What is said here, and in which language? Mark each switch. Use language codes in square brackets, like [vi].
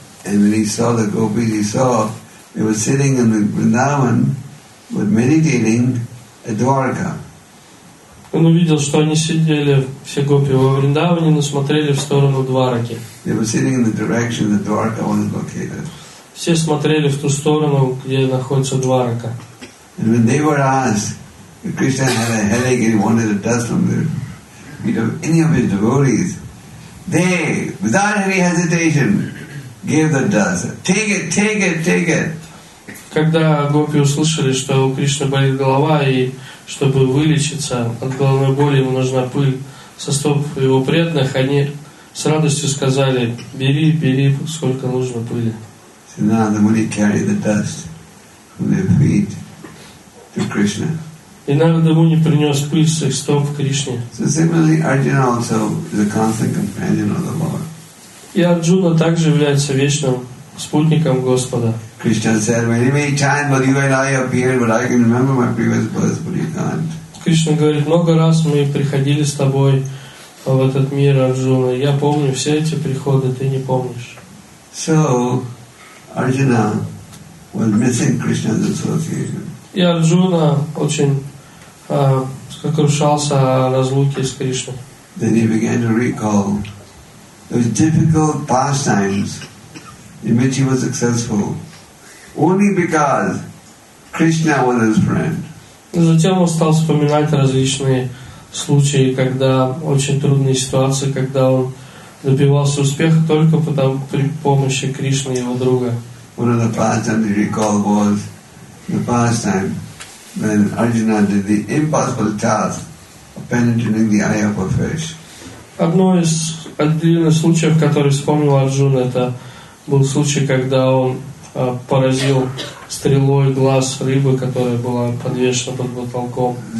[en] And when he saw the gopis, he saw they were sitting in the Vrindavan with meditating at Dwarka. [ru] Он увидел, что они сидели, все гопи, во Вриндаване, но смотрели в сторону Двараки. [en] They were sitting in the direction that Dwarka was located. [ru] Все смотрели в ту сторону, где находится Дварака. [en] And when they were asked, if Krishna had a headache and he wanted a dust on the feet of any of his devotees, they, without any hesitation, gave the dust. Take it, take it, take it. [ru] Когда гопи услышали, что у Кришны болит голова, и чтобы вылечиться от головной боли, ему нужна пыль со стоп его преданных, они с радостью сказали, бери, бери, сколько нужно пыли. [en] So now the Muni carried the dust from their feet to Krishna. [ru] И Нарада Муни принес пыль со стоп Кришне. [en] So similarly, Arjuna also is a constant companion of the Lord. [ru] И Арджуна также является вечным спутником Господа. [en] Krishna said, many times when you and I appeared, but I can remember my previous births, but you can't. [ru] Кришна говорит, много раз мы приходили с тобой в этот мир, Арджуна. Я помню все эти приходы, ты не помнишь. [en] So, Arjuna was missing Krishna's association. [ru] И Арджуна очень сокрушался о разлуке с Кришной. [en] Then he began to recall those difficult pastimes in which he was successful only because Krishna was his friend. [ru] Затем он стал вспоминать различные случаи, когда очень трудные ситуации, когда он добивался успеха только потому, при помощи Кришны, его друга. [en] One of the pastimes he recalled was the pastime when Arjuna did the impossible task of penetrating the eye of a fish. [ru] Одно из отдельных случаев, который вспомнил Арджуна, это был случай, когда он поразил стрелой глаз рыбы, которая была подвешена под потолком.